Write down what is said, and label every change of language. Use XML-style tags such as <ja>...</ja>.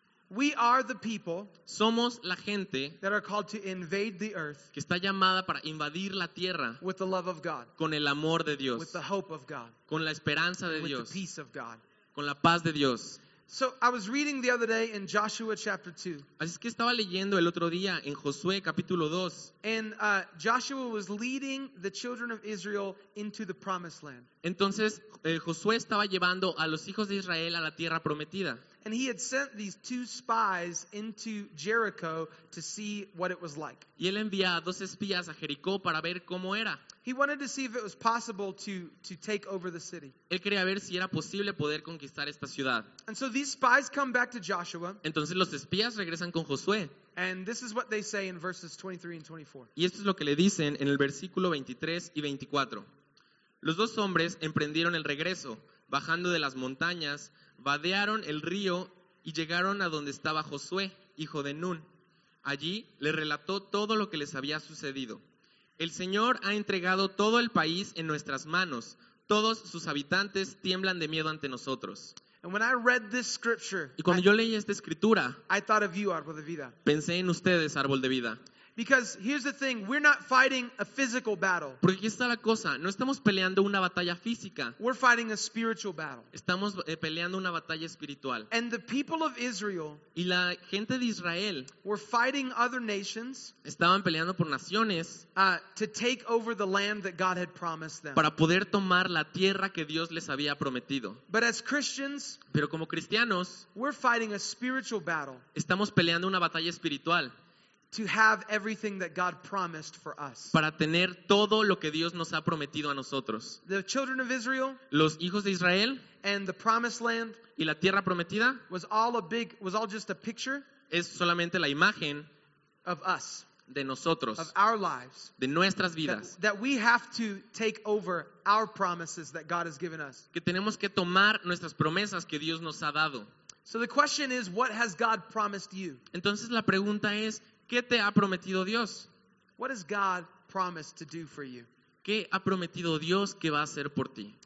<en>We are the people,</en> <es>somos la gente,</es> <en>that are called to invade the earth,</en> <es>que está llamada para invadir la tierra,</es> <en>with the love of God,</en> <es>con el amor de Dios,</es> <en>with the hope of God,</en> <es>con la esperanza de</es> <en>with</en> <es>Dios,</es> <en>the peace of God,</en> <es>con la paz de Dios.</es> <en>So I was reading the other day in Joshua chapter 2.</en> <es>Así es que estaba leyendo el otro día en Josué capítulo 2.</es> <en>And Joshua was leading the children of Israel into the promised land.</en> <es>Entonces Josué estaba llevando a los hijos de Israel a la tierra prometida.</es> <en>And he had sent these two spies into Jericho to see what it was like.</en> <es>Y él envía a dos espías a Jericó para ver cómo era.</es> <en>He wanted to see if it was possible to take over the city.</en> <es>Él quería ver si era posible poder conquistar esta ciudad.</es> <en>And so these spies come back to Joshua.</en> <es>Entonces los espías regresan con Josué.</es> <en>And this is what they say in verses 23 and 24.</en> <es>Y esto es lo que le dicen en el versículo 23 y 24. Los dos hombres emprendieron el regreso, bajando de las montañas, vadearon el río y llegaron a donde estaba Josué, hijo de Nun. Allí le relató todo lo que les había sucedido. El Señor ha entregado todo el país en nuestras manos. Todos sus habitantes tiemblan de miedo ante nosotros.</es> <en>And when I read this scripture,</en> <es>y cuando yo leí esta escritura,</es> <en>I thought of you, árbol de vida.</en> <es>Pensé en ustedes, árbol de vida.</es> <en>Because here's the thing, we're not fighting a physical battle.</en> <es>Porque aquí está la cosa, no estamos peleando una batalla física.</es> <en>We're fighting a spiritual battle.</en> <es>Estamos peleando una batalla espiritual.</es> <en>And the people of Israel,</en> <es>y la gente de Israel,</es> <en>were fighting other nations,</en> <es>estaban peleando por naciones,</es> <en>to take over the land that God had promised them.</en> <es>Para poder tomar la tierra que Dios les había prometido.</es> <en>But as Christians,</en> <es>pero como cristianos,</es> <en>we're fighting a spiritual battle.</en> <es>Estamos peleando una batalla espiritual.</es> <en>To have everything that God promised for us.</en> <es>Para tener todo lo que Dios nos ha prometido a nosotros.</es> <en>The children of Israel.</en> <es>Los hijos de Israel.</es> <en>And the promised land.</en> <es>Y la tierra prometida.</es> <en>Was all just a picture.</en> <es>Es solamente la imagen.</es> <en>Of us.</en> <es>De nosotros.</es> <en>Of our lives.</en> <es>De nuestras vidas.</es> <en>That we have to take over our promises that God has given us.</en> <es>Que tenemos que tomar nuestras promesas que Dios nos ha dado.</es> <en>So the question is, what has God promised you?</en> <es>Entonces la pregunta es, ¿qué te ha prometido Dios?</es> <en>What has God promised to do for you?</en> <es>¿Qué ha prometido Dios que va a hacer por ti?</es>